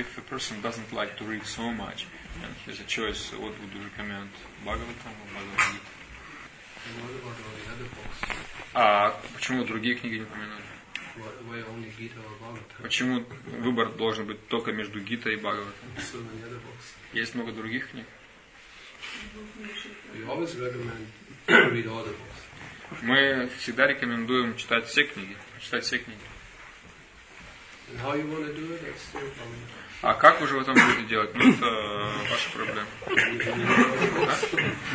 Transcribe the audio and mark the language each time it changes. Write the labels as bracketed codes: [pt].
[en] If a person doesn't like to read so much and he has a choice, what would you recommend? Bhagavatam or Bhagavad Gita? And what about all the other books? [ru] Почему другие книги не упомянули? [en] Why only Gita or Bhagavatam? [ru] Почему выбор должен быть только между Гитой и Бхагаватом? [en] So many other books. [ru] Есть много других книг? [en] We always recommend to read all the books. [ru] Мы всегда рекомендуем читать все книги. [en] And how you want to do it, that's still a problem. [ru] А как вы же в этом будете делать? Ну, это ваша проблема.